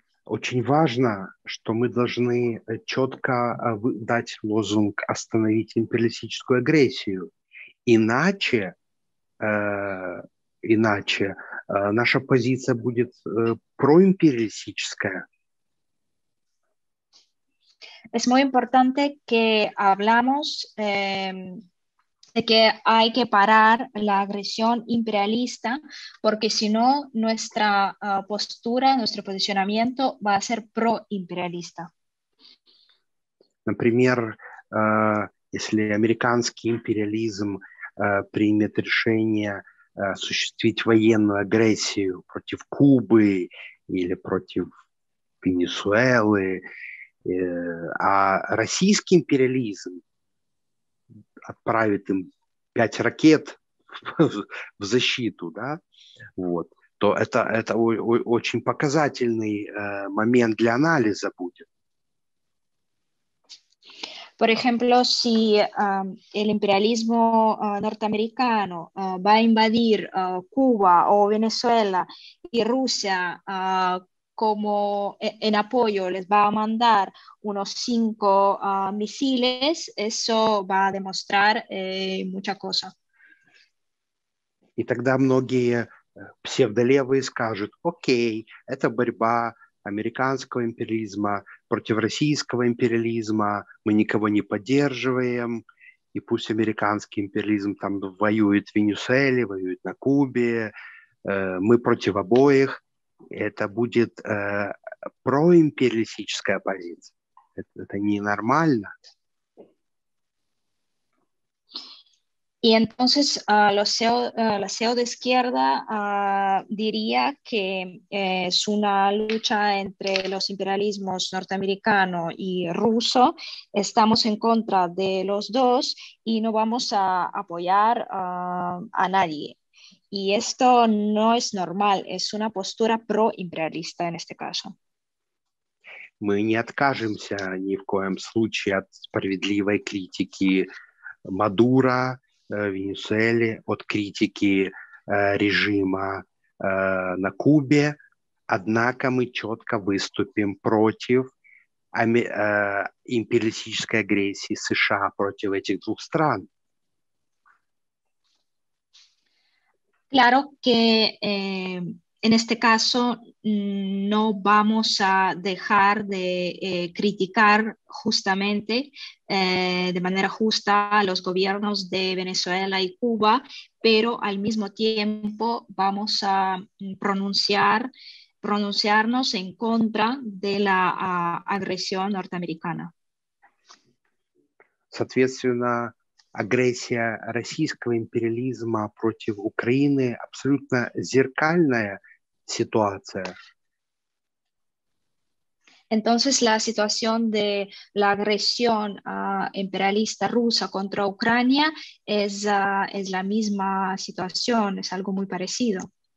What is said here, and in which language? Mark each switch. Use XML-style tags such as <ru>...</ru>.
<ru>Очень важно, что мы должны четко дать лозунг «Остановить империалистическую агрессию». Иначе наша позиция будет проимпериалистическая.</ru> <es>Es muy importante que hablamos de que hay que parar la agresión imperialista, porque si no, nuestra postura, nuestro posicionamiento va a ser proimperialista.</es> <ru>Например, если американский империализм примет решение осуществить военную агрессию против Кубы или против Венесуэлы А российский империализм отправит им 5 ракет в защиту, да, вот, то это очень показательный момент для анализа будет.</ru> <es>Por ejemplo, si el imperialismo norteamericano va a invadir Cuba o Venezuela y Rusia como en apoyo les va a mandar unos 5 misiles, eso va a demostrar mucha cosa.</es> <ru>И тогда многие псевдолевые скажут, окей, это борьба американского империализма против российского империализма, мы никого не поддерживаем, и пусть американский империализм там воюет в Венесуэле, воюет на Кубе, мы против обоих. Это будет проимпериалистическая позиция. Это ненормально.</ru> <es>Y entonces la CEO de izquierda diría que es una lucha entre los imperialismos norteamericano y ruso. Estamos en contra de los dos y no vamos a apoyar a nadie. Y esto no es normal, es una postura pro-imperialista en este caso.</es> <ru>Мы не откажемся ни в коем случае от справедливой критики Мадуро, Венесуэле, от критики режима на Кубе, однако мы четко выступим против империалистической агрессии США против этих двух стран.</ru> <es>Claro que en este caso no vamos a dejar de criticar justamente de manera justa a los gobiernos de Venezuela y Cuba, pero al mismo tiempo vamos a pronunciarnos en contra de la agresión norteamericana.</es> <ru>Соответственно, агрессия российского империализма против Украины абсолютно зеркальная ситуация.</ru> <es>Entonces la situación de la agresión imperialista rusa contra Ucrania es la misma situación, es algo muy parecido.</es>